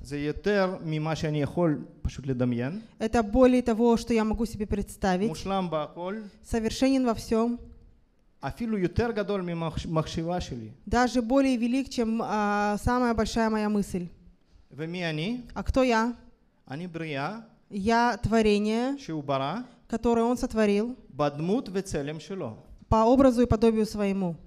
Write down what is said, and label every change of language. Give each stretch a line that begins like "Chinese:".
Hebrew: זה יותר ממה שאני יכול פשוט לדמיין.
Russian: Это более того, что я могу себе представить.
Hebrew: מושלם בהכל.
Russian: Совершенен во всем.
Hebrew: אפילו יותר גדול ממחשבה שלי.
Russian: Даже более велик, чем самая большая моя мысль.
Hebrew: ומי אני?
Russian: А кто я?
Hebrew: אני בריאה.
Russian: Я творение.
Hebrew: שהוא ברא.
Russian: Которое он сотворил.
Hebrew: בדמות וצלם שלו.
Russian: По образу и подобию своему.